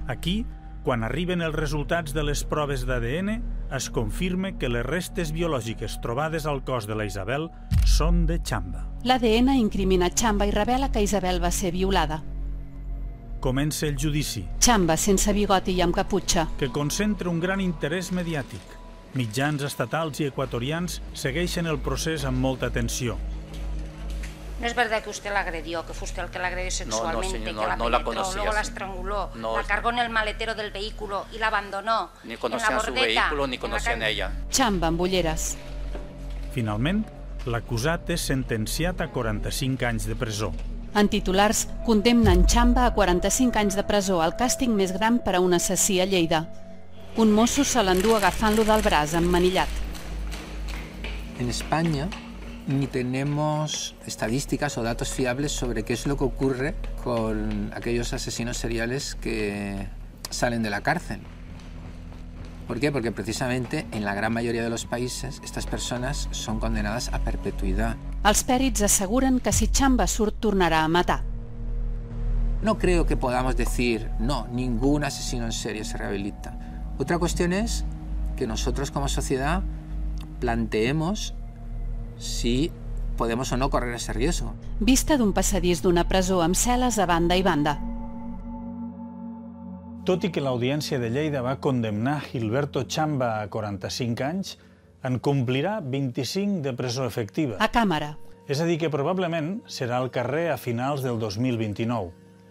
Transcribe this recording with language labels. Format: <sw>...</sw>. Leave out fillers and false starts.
<ca>Aquí, quan arriben els resultats de les proves d'ADN, es confirma que les restes biològiques trobades al cos de la Isabel són de Chamba. L'ADN incrimina Chamba i revela que Isabel va ser violada. Comença el judici. Chamba, sense bigoti i amb caputxa. Que concentra un gran interès mediàtic. Mitjans estatals i equatorians segueixen el procés amb molta atenció.</ca> <es>No és verdad que usted la agredió, que fue usted el que la agredió sexualmente, no, senyor, no, que la penetró, no la luego la estranguló, no, la cargó en el maletero del vehículo y la abandonó. Ni conocían su vehículo ni conocían ella.</es> <ca>Chamba, amb ulleres. Finalment, l'acusat és sentenciat a 45 anys de presó. En titulars, condemnen Chamba a 45 anys de presó, el càstig més gran per a un assassí a Lleida. Un mosso se l'endú agafant-lo del braç, emmanillat.</ca> <es>En Espanya ni tenemos estadísticas o datos fiables sobre qué es lo que ocurre con aquellos asesinos seriales que salen de la cárcel. ¿Por qué? Porque precisamente en la gran mayoría de los países estas personas son condenadas a perpetuidad.</es> <ca>Els pèrits asseguren que si Chamba surt, tornarà a matar.</ca> <es>No creo que podamos decir, no, ningún asesino en serie se rehabilita. Otra cuestión es que nosotros como sociedad planteemos si podemos o no correr ese riesgo.</es> <ca>Vista d'un passadís d'una presó amb cel·les a banda i banda. Tot i que l'Audiència de Lleida va condemnar Gilberto Chamba a 45 anys, en complirà 25 de presó efectiva. A càmera. És a dir, que probablement serà al carrer a finals del 2029.</ca>